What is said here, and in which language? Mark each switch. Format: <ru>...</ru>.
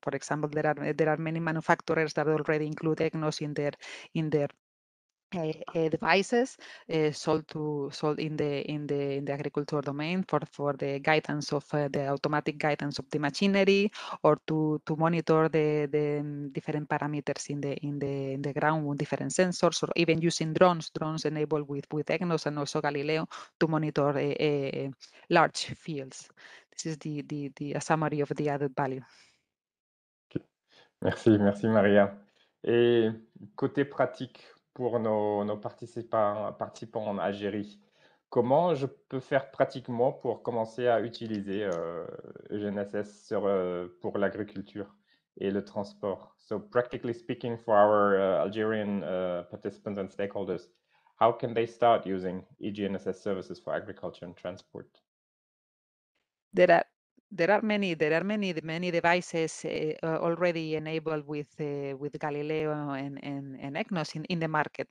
<en>For example, there are many manufacturers that already include EGNOS in their devices sold in the agriculture domain for the guidance of the automatic guidance of the machinery, or to monitor the different parameters in the ground with different sensors, or even using drones enabled with EGNOS and also Galileo to monitor large fields. This is the a summary of the added value.</en> <fr>Merci Maria. Et côté pratique pour nos participants en Algérie, comment je peux faire pratiquement pour commencer à utiliser EGNSS pour l'agriculture et le transport?</fr> <en>So practically speaking, for our Algerian participants and stakeholders, how can they start using EGNSS services for agriculture and transport? There are many devices already enabled with Galileo and EGNOS in the market.</en>